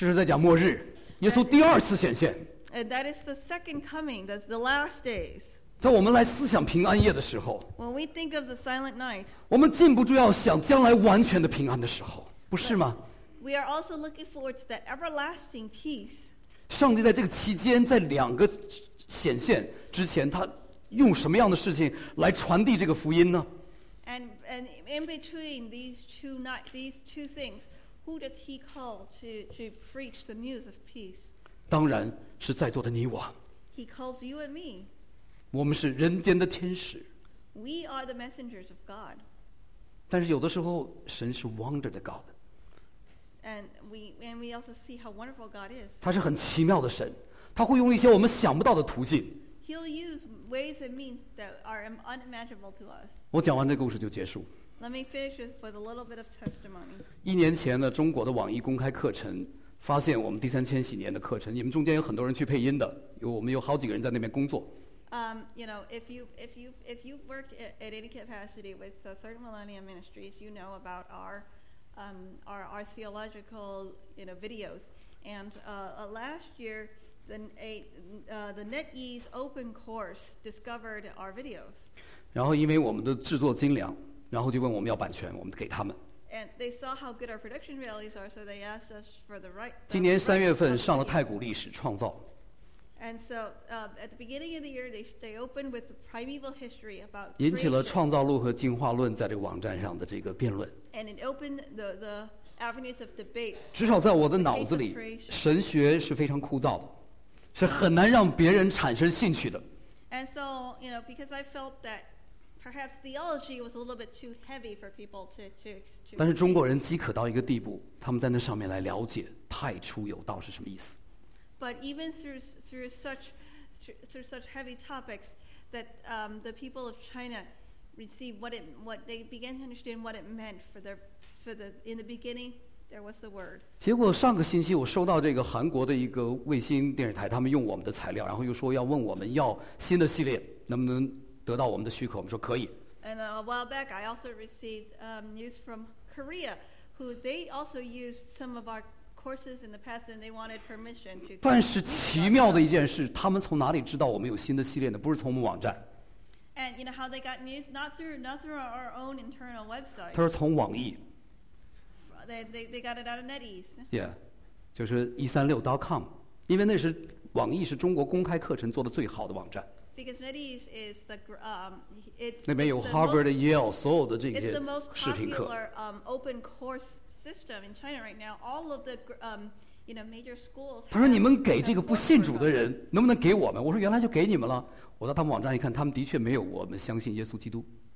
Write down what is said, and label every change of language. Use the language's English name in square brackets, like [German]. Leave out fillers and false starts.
[Chinese] 这是在讲末日，耶稣第二次显现。 [English] And that is the second coming, that's the last days. [Chinese] 在我们来思想平安夜的时候， [English] When we think of the silent night, [Chinese] 我们禁不住要想将来完全的平安的时候，不是吗？ [English] We are also looking forward to that everlasting peace. [Chinese] 上帝在这个期间，在两个显现之前，他用什么样的事情来传递这个福音呢？ [English] And in between these two things, who does he call to preach the news of peace? [Chinese] 当然是在座的你我。 [English] He calls you and me. [Chinese] 我们是人间的天使。 [English] We are the messengers of God. [Chinese] 但是有的时候，神是 wonder 的 God。 [English] And we also see how wonderful God is. [Chinese] 他是很奇妙的神，他会用一些我们想不到的途径。 [English] He'll use ways and means that are unimaginable to us. [Chinese] 我讲完这故事就结束。 [English] Let me finish with a little bit of testimony. [Chinese] 一年前呢，中国的网易公开课程。发现我们第三千禧年的课程，你们中间有很多人去配音的，有我们有好几个人在那边工作。 [English] You know, if you've worked at any capacity with the Third Millennium Ministries, you know about our theological, you know, videos. And last year, the NetEase Open Course discovered our videos. [Chinese] 然后因为我们的制作精良，然后就问我们要版权，我们给他们。 [English] And they saw how good our production values are, so they asked us for the right. [Chinese] 今年三月份上了太古历史创造。 [English] And so, at the beginning of the year, they opened with primeval history about. [Chinese] 引起了创造论和进化论在这个网站上的这个辩论。 [English] And it opened the avenues of debate. [Chinese] 至少在我的脑子里，神学是非常枯燥的，是很难让别人产生兴趣的。 [English] And so, you know, because I felt that. Perhaps theology was a little bit too heavy for people to. [Chinese] 但是中国人饥渴到一个地步，他们在那上面来了解太初有道是什么意思。 [English] But even through such heavy topics that the people of China received what they began to understand what it meant for the in the beginning there was the word. [Chinese] 结果上个星期我收到这个韩国的一个卫星电视台，他们用我们的材料，然后又说要问我们要新的系列能不能。得到我们的许可，我们说可以。 [English] And a while back, I also received news from Korea, who they also used some of our courses in the past, and they wanted permission to. [Chinese] 但是奇妙的一件事，他们从哪里知道我们有新的系列呢？不是从我们网站。 [English] And you know how they got news? Not through our own internal website. [Chinese] 他说从网易。 [English] They got it out of NetEase. [Chinese] Yeah, 就是136.com, 因为那是网易是中国公开课程做的最好的网站。 [English] Because NetEase is the it's [Chinese] 那边有 Harvard、Yale 所有的这些视频课。 [English] It's the most popular open course system in China right now. All of the you know major schools. [Chinese] 他说：“你们给这个不信主的人，能不能给我们？” 我说：“原来就给你们了。” 我到他们网站一看，他们的确没有我们相信耶稣基督。